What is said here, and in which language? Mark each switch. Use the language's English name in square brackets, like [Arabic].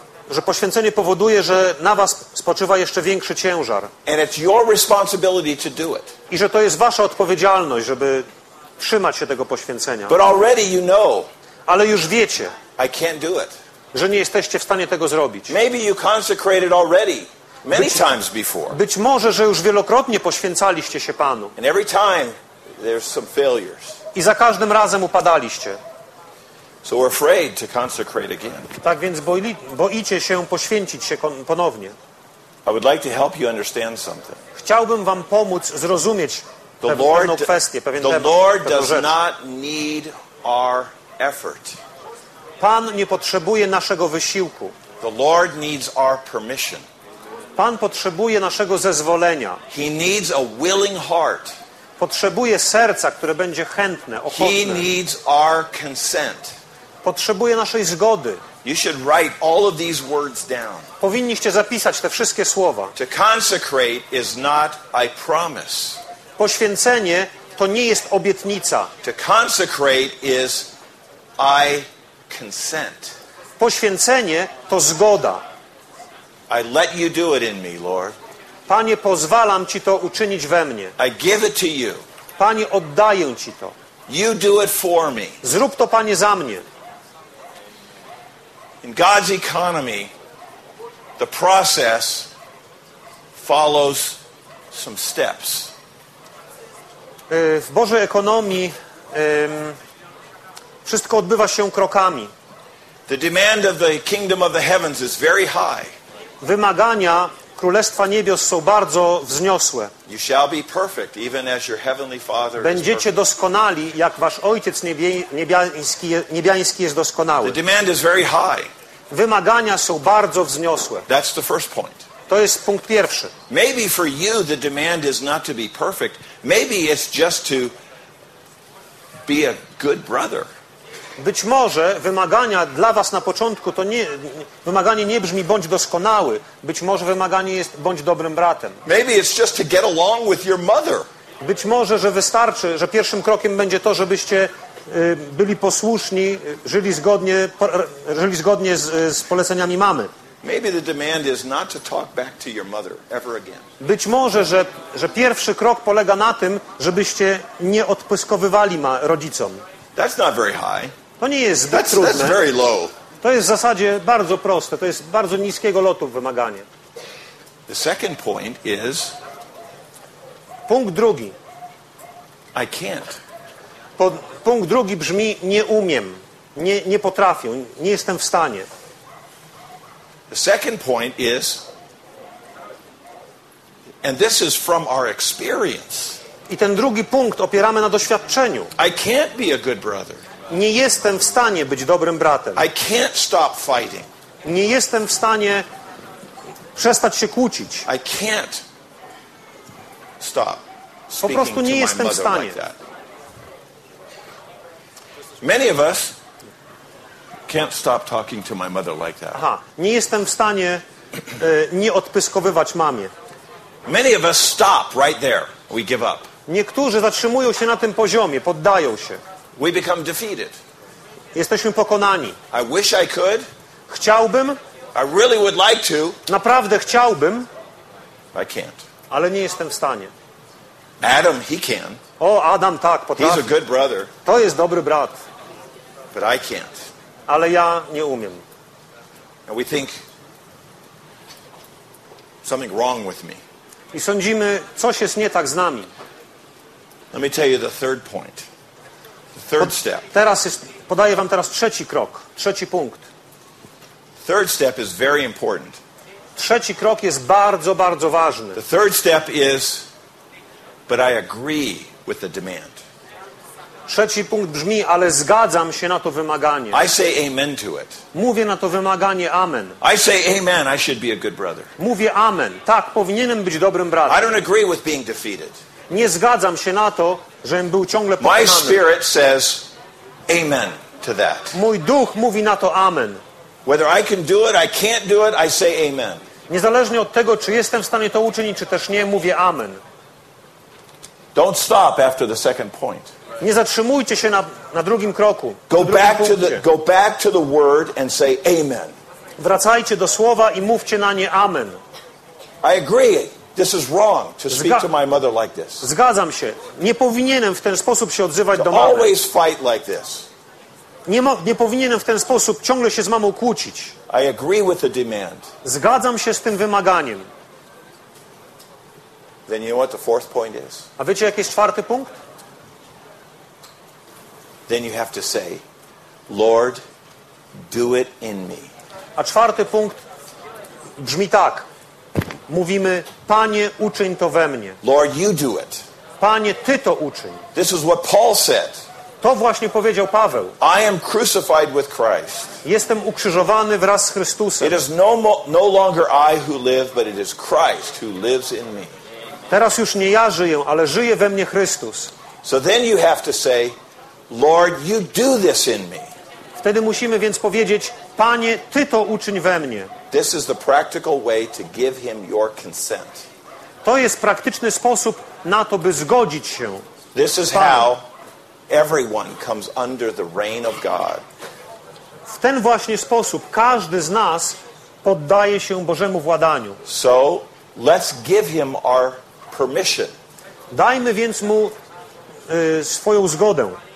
[Polish] Że poświęcenie powoduje, że na was spoczywa jeszcze większy ciężar. [English] And it's your responsibility to do it. [Polish] I że to jest wasza odpowiedzialność, żeby trzymać się tego poświęcenia. [English] But already you know, [Polish] ale już wiecie, [English] I can't do it. [Polish] Że nie jesteście w stanie tego zrobić. [English] Maybe you consecrated already. Many times before. [Polish] Być może, że już wielokrotnie poświęcaliście się Panu. [English] And every time there's some failures. [Polish] I za każdym razem upadaliście. [English] So we're afraid to consecrate again. [Polish] Tak więc boicie się poświęcić się ponownie. [English] I would like to help you understand something. [Polish] Chciałbym wam pomóc zrozumieć pewną kwestię, pewien temat. [English] The Lord does not need our effort. [Polish] Pan nie potrzebuje naszego wysiłku. [English] The Lord needs our permission. [Polish] Pan potrzebuje naszego zezwolenia. [English] He needs a willing heart. [Polish] Potrzebuje serca, które będzie chętne, ochotne. [English] He needs our consent. [Polish] Potrzebuje naszej zgody. [English] You should write all of these words down. [Polish] Powinniście zapisać te wszystkie słowa. [English] To consecrate is not I promise. [Polish] Poświęcenie to nie jest obietnica. [English] To consecrate is I consent. [Polish] Poświęcenie to zgoda. [English] I let you do it in me, Lord. [Polish] Panie, pozwalam ci to uczynić we mnie. [English] I give it to you. [Polish] Panie, oddaję ci to. [English] You do it for me. [Polish] Zrób to, Panie, za mnie. [English] In God's economy, the process follows some steps. [Polish] W Bożej ekonomii wszystko odbywa się krokami. [English] The demand of the kingdom of the heavens is very high. [Polish] Wymagania Królestwa Niebios są bardzo wzniosłe. [English] You shall be perfect, even as your heavenly Father. [Polish] Będziecie doskonali, jak wasz Ojciec niebiański jest doskonały. [English] The demand is very high. [Polish] Wymagania są bardzo wzniosłe. [English] That's the first point. [Polish] To jest punkt pierwszy. [English] Maybe for you the demand is not to be perfect. Maybe it's just to be a good brother. [Polish] Być może wymagania dla was na początku to nie wymaganie nie brzmi bądź doskonały. Być może wymaganie jest bądź dobrym bratem. [English] Maybe it's just to get along with your mother. [Polish] Być może, że wystarczy, że pierwszym krokiem będzie to, żebyście byli posłuszni, żyli zgodnie z poleceniami mamy. [English] Maybe the demand is not to talk back to your mother ever again. [Polish] Być może, że pierwszy krok polega na tym, żebyście nie odpyskowywali rodzicom. [English] That's not very high. [Polish] To nie jest zbyt trudne. [English] That's very low. [Polish] To jest w zasadzie bardzo proste. To jest bardzo niskiego lotu wymaganie. [English] The second point is. [Polish] Punkt drugi. [English] I can't. [Polish] Punkt drugi brzmi nie umiem, nie potrafię, nie jestem w stanie. [English] The second point is. And this is from our experience. [Polish] I ten drugi punkt opieramy na doświadczeniu. [English] I can't be a good brother. [Polish] Nie jestem w stanie być dobrym bratem. [English] I can't stop fighting. [Polish] Nie jestem w stanie przestać się kłócić. [English] I can't stop speaking. [Polish] Po prostu nie jestem w stanie. [English] Like that. Many of us can't stop talking to my mother like that. [Polish] Aha, nie jestem w stanie nie odpyskowywać mamie. [English] Many of us stop right there. We give up. [Polish] Niektórzy zatrzymują się na tym poziomie, poddają się. [English] We become defeated. [Polish] Jesteśmy pokonani. [English] I wish I could. [Polish] Chciałbym. [English] I really would like to. [Polish] Naprawdę chciałbym. [English] I can't. [Polish] Ale nie jestem w stanie. [English] Adam, he can. [Polish] O, Adam tak potrafi. [English] He's a good brother. [Polish] To jest dobry brat. [English] But I can't. [Polish] Ale ja nie umiem. [English] And we think something wrong with me. [Polish] I sądzimy, coś jest nie tak z nami. [English] Let me tell you the third point. The third step. [Polish] Podaję wam teraz trzeci krok, trzeci punkt. [English] Third step is very important. [Polish] Trzeci krok jest bardzo, bardzo ważny. [English] The third step is, but I agree with the demand. [Polish] Trzeci punkt brzmi, ale zgadzam się na to wymaganie. [English] I say amen to it. [Polish] Mówię na to wymaganie amen. [English] I say amen, I should be a good brother. [Polish] Mówię amen. Tak, powinienem być dobrym bratem. [English] I don't agree with being defeated. [Polish] Nie zgadzam się na to, żebym był ciągle pokonany. [English] My spirit says amen to that. [Polish] Mój duch mówi na to amen. [English] Whether I can do it, I can't do it, I say amen. [Polish] Niezależnie od tego, czy jestem w stanie to uczynić, czy też nie, mówię amen. [English] Don't stop after the second point. [Polish] Nie zatrzymujcie się na drugim kroku. [English] Go back to the word and say amen. [Polish] Wracajcie do słowa i mówcie na nie amen. [English] I agree. This is wrong to speak to my mother like this. [Polish] Zgadzam się. Nie powinienem w ten sposób się odzywać do mamy. [English] Always fight like this. [Polish] Nie powinienem w ten sposób ciągle się z mamą kłócić. [English] I agree with the demand. [Polish] Zgadzam się z tym wymaganiem. [English] Then you know what the fourth point is. [Polish] A wiecie, jaki jest czwarty punkt? [English] Then you have to say, Lord, do it in me. [Polish] A czwarty punkt brzmi tak. Mówimy, Panie, uczyń to we mnie. [English] Lord, you do it. [Polish] Panie, Ty to uczyń. [English] This is what Paul said. [Polish] To właśnie powiedział Paweł. [English] I am crucified with Christ. [Polish] Jestem ukrzyżowany wraz z Chrystusem. [English] It is no longer I who live, but it is Christ who lives in me. [Polish] Teraz już nie ja żyję, ale żyje we mnie Chrystus. [English] So then you have to say, Lord, you do this in me. [Polish] Wtedy musimy więc powiedzieć, Panie, Ty to uczyń we mnie. [English] This is the practical way to give him your consent. [Polish] To jest praktyczny sposób na to, by zgodzić się. [English] This is how everyone comes under the reign of God. [Polish] W ten właśnie sposób każdy z nas poddaje się Bożemu władaniu. [English] So, let's give him our permission. [Polish] Dajmy więc mu swoją zgodę.